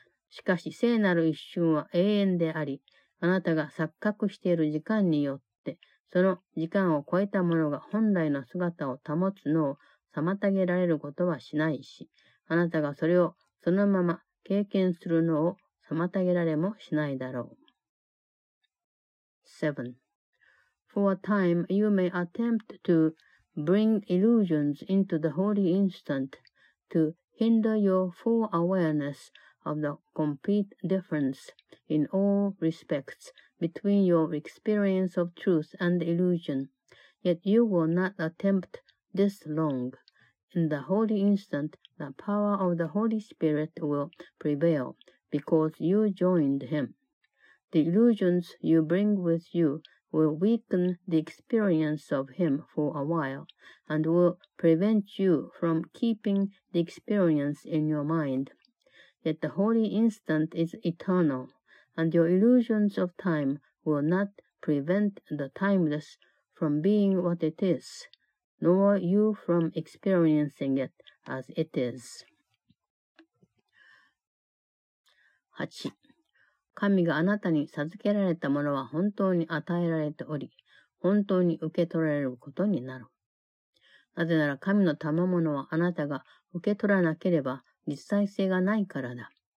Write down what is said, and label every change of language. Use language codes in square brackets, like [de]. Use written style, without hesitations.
[ja] しかし聖なる一瞬は永遠であり、あなたが錯覚している時間によって、その時間を超えたものが本来の姿を保つのを妨げられることはしないし、あなたがそれをそのまま経験するのを妨げられもしないだろう。 7. [en] For a time you may attempt to bring illusions into the holy instant to hinder your full awareness. Of the complete difference in all respects between your experience of truth and illusion. Yet you will not attempt this long. In the holy instant, the power of the Holy Spirit will prevail because you joined Him. The illusions you bring with you will weaken the experience of Him for a while and will prevent you from keeping the experience in your mind. Yet the holy instant is eternal, and your illusions of time will not prevent the timeless from being what it is, nor you from experiencing it as it is. 8. [ja] 神があなたに授けられたものは本当に与えられており、本当に受け取られることになる。なぜなら神の賜物はあなたが受け取らなければ、実際性がないからだ。